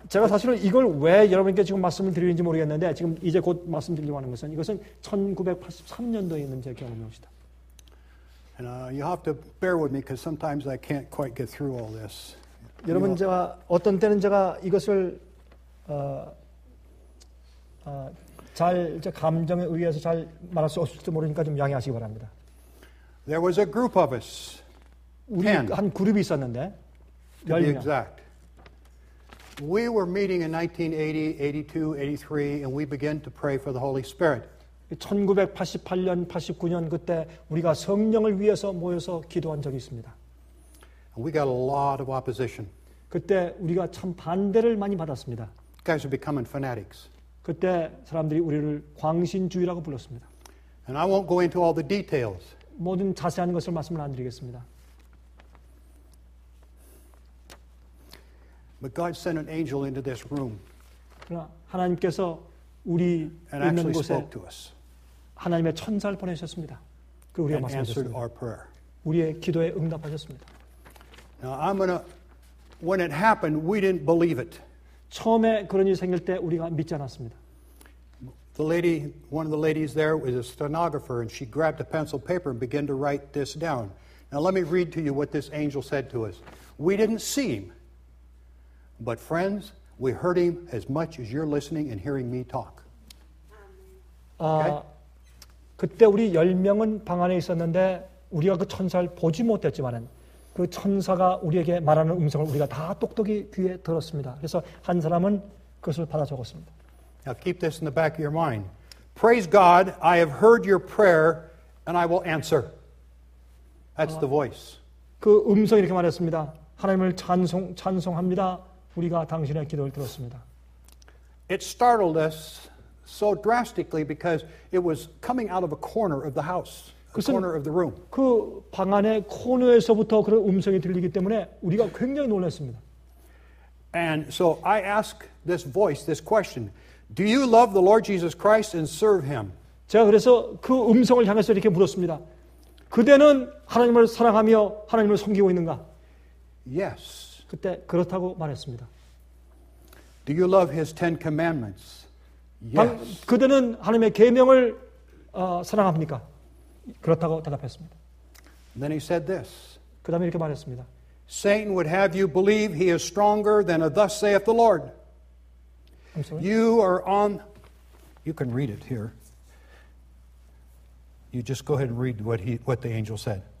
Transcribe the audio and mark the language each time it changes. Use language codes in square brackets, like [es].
[ko] 제가 사실은 이걸 왜 여러분께 지금 말씀을 드리는지 모르겠는데 지금 이제 곧 말씀드리려고 하는 것은 이것은 1983년도에 있는 제 경험입니다. [en] And you have to bear with me because sometimes I can't quite get through all this. [ko] 여러분 제가 어떤 때는 제가 이것을 잘 감정에 의해서 잘 말할 수 없을지 모르니까 좀 양해하시기 바랍니다. [en] There was a group of us. [ko] 우리 한 그룹이 있었는데. [en] To be exact. We were meeting in 1980, 82, 83 and we began to pray for the Holy Spirit. [ko] 1988년, 89년 그때 우리가 성령을 위해서 모여서 기도한 적이 있습니다. [en] And we got a lot of opposition. [ko] 그때 우리가 참 반대를 많이 받았습니다. [en] Guys were becoming fanatics. [ko] 그때 사람들이 우리를 광신주의라고 불렀습니다. [en] And I won't go into all the details. [ko] 모든 자세한 것을 말씀을 안 드리겠습니다. [en] But God sent an angel into this room. [ko] 하나님께서 우리 [en] And [ko] 있는 곳에 [en] spoke to us. [ko] 하나님의 천사를 보내셨습니다. 그 우리의 말씀하셨습니다. 우리의 기도에 응답하셨습니다. [en] Now I'm gonna. When it happened, we didn't believe it. [ko] 처음에 그런 일이 생길 때 우리가 믿지 않았습니다. [en] The lady, one of the ladies there, was a stenographer, and she grabbed a pencil paper and began to write this down. Now let me read to you what this angel said to us. We didn't see him, but friends, we heard him as much as you're listening and hearing me talk. Okay? [ko] 그때 우리 열 명은 방 안에 있었는데 우리가 그 천사를 보지 못했지만은. 그 천사가 우리에게 말하는 음성을 우리가 다 똑똑히 귀에 들었습니다. 그래서 한 사람은 그것을 받아 적었습니다. [en] Now keep this in the back of your mind. Praise God, I have heard your prayer and I will answer. That's the voice. [ko] 그 음성이 이렇게 말했습니다. 하나님을 찬송합니다. 우리가 당신의 기도를 들었습니다. [en] It startled us so drastically because it was coming out of a corner of the house. Corner of the room. [ko] 그 방 안에 코너에서부터 그런 음성이 들리기 때문에 우리가 굉장히 놀랐습니다. [en] And so I ask this voice, this question: Do you love the Lord Jesus Christ and serve Him? [ko] 제가 그래서 그 음성을 향해서 이렇게 물었습니다. 그대는 하나님을 사랑하며 하나님을 섬기고 있는가? [en] Yes. [ko] 그때 그렇다고 말했습니다. [en] Do you love his Ten Commandments? Yes. [ko] 그대는 하나님의 계명을 사랑합니까? 그렇다고 대답했습니다. [en] Then he said this. [ko] 그다음에 이렇게 말했습니다. [en] Satan would have you believe he is stronger than a thus saith the Lord. You are on, you can read it here. You just go ahead and read what the angel said.